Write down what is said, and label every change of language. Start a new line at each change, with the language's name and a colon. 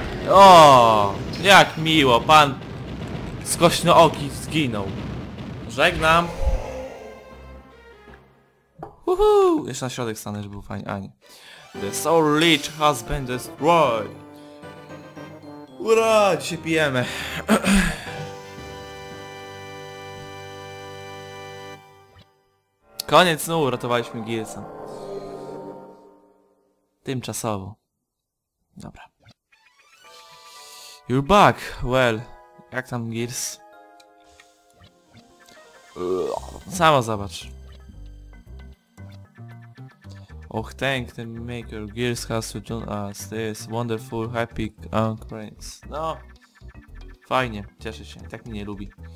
Polish: O, jak miło, pan skośnooki zginął. Żegnam. Uhuu, jeszcze na środek stanę, żeby był fajnie, a nie.
English: The Soul Leech has been destroyed.
Polish: Ura, dzisiaj pijemy. Koniec, no uratowaliśmy Gearsa. Tymczasowo. Dobra.
English: You're back. Well,
Polish: jak tam
English: Gears?
Polish: Sama zobacz.
English: Och, thank the maker Gears has returned us this wonderful happy occurrence.
Polish: No, fajnie, cieszę się, tak mnie nie lubi.